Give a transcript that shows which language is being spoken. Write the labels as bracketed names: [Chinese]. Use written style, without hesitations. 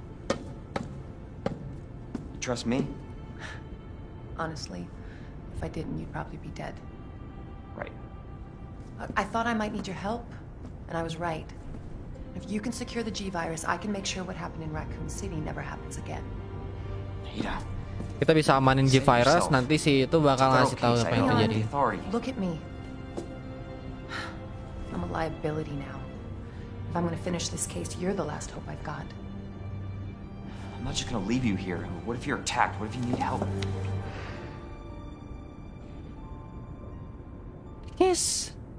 [English] You trust me? Honestly, if I didn't, you'd probably be dead. Right. I thought I might need your help, and I was right. If you can secure the G-virus, I can make sure what happened in Raccoon City never happens again. Ada, [Indonesian] kita bisa amanin G-Virus, nanti si itu bakal ngasih tahu apa yang terjadi. [English] Look at me. I'm a liability now. If I'm gonna finish this case, you're the last hope I've got. I'm not just gonna leave you here. What if you're attacked? What if you need help? Yes.